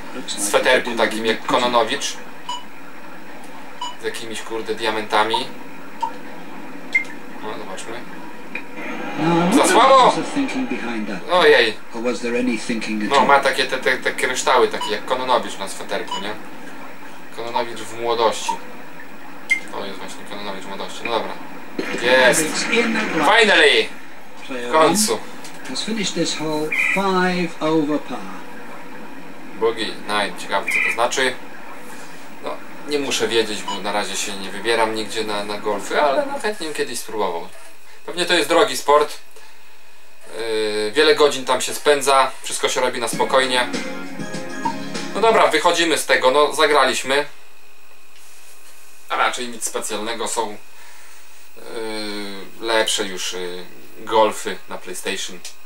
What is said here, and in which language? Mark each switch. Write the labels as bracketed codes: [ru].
[pl] Sweterku takim jak Kononowicz. Z jakimiś kurde diamentami. No zobaczmy. Za słabo! Ojej. No ma takie te kryształy takie jak Kononowicz na sweterku, nie? Kononowicz w młodości. To jest właśnie Kononowicz w młodości. No dobra. Jest! [en] Finally! [pl] W końcu. [en] Has finished this hole 5 over par. [pl] Bogi, ciekawe co to znaczy. No, nie muszę wiedzieć, bo na razie się nie wybieram nigdzie na golfy, ale no, chętnie bym kiedyś spróbował. Pewnie to jest drogi sport. Wiele godzin tam się spędza, wszystko się robi na spokojnie. No dobra, wychodzimy z tego, no zagraliśmy. A raczej nic specjalnego, są lepsze już golfy na PlayStation.